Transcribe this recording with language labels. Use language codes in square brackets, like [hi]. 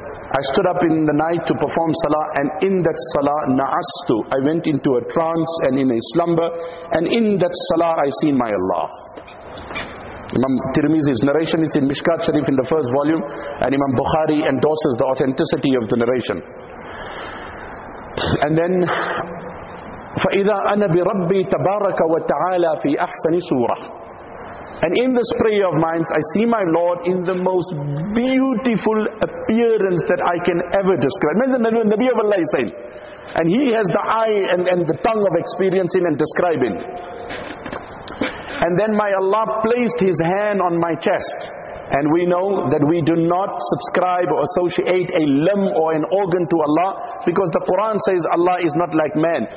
[en] I stood up in the night to perform salah, and in that salah, na'astu, I went into a trance and in a slumber, and in that salah, I seen my Allah. Imam Tirmizi's narration is in Mishkat Sharif in the first volume, and Imam Bukhari endorses the authenticity of the narration. And then, [ar] فَإِذَا أَنَا بِرَبِّي تَبَارَكَ وَتَعَالَى فِي أَحْسَنِ سُورَةٍ. [en] And in this prayer of mine, I see my Lord in the most beautiful appearance that I can ever describe. I mean, the Nabi of Allah is saying, and he has the eye and the tongue of experiencing and describing. And then my Allah placed his hand on my chest. And we know that we do not subscribe or associate a limb or an organ to Allah, because the Quran says Allah is not like man.